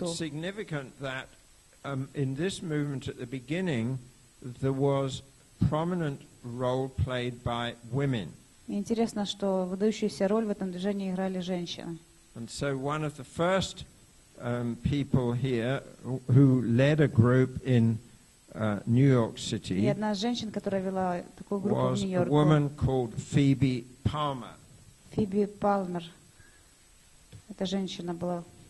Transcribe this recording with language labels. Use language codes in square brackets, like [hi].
[en] It's significant that in this movement at the beginning there was prominent role played by women. [ru] Интересно, что выдающуюся роль в этом движении играли женщины. [en] And so one of the first people here who led a group in New York City. [ru] И одна женщина, которая вела такую группу в Нью-Йорке. [en] Was a woman called Phoebe Palmer. [ru] Фиби Палмер. Эта женщина была.